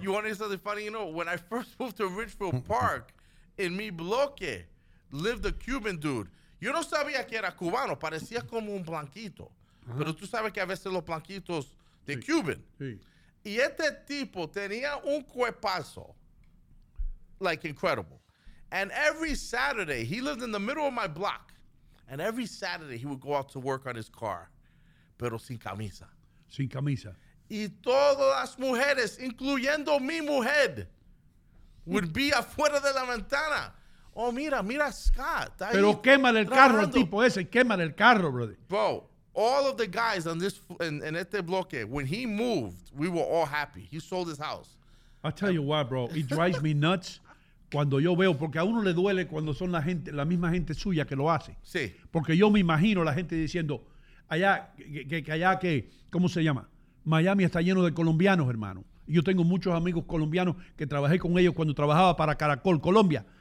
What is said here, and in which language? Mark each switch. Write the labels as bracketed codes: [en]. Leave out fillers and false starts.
[en] You want to say something funny? You know, when I first moved to Ridgefield Park, in [es] mi bloque, [en] lived a Cuban dude. [es] Yo no sabía que era cubano, parecía como un blanquito. Uh-huh. Pero tú sabes que a veces los blanquitos de sí. Cuban. Sí. Y este tipo tenía un cuerpazo. [en] Like, incredible. And every Saturday, he lived in the middle of my block. And every Saturday, he would go out to work on his car. [es] Pero sin camisa. Sin camisa. Y todas las mujeres, incluyendo mi mujer, [en] would be [es] afuera de la ventana. Oh, mira, mira Scott. Pero queman el carro, el tipo ese. Queman el carro, brother. [en] Bro, all of the guys on this in [es] este bloque, [en] when he moved, we were all happy. He sold his house. I'll tell you why, bro. It drives me nuts [es] cuando yo veo, porque a uno le duele cuando son la gente, la misma gente suya que lo hace. Sí. Porque yo me imagino la gente diciendo, allá, que allá, que, ¿cómo se llama? Miami está lleno de colombianos, hermano. Yo tengo muchos amigos colombianos que trabajé con ellos cuando trabajaba para Caracol Colombia.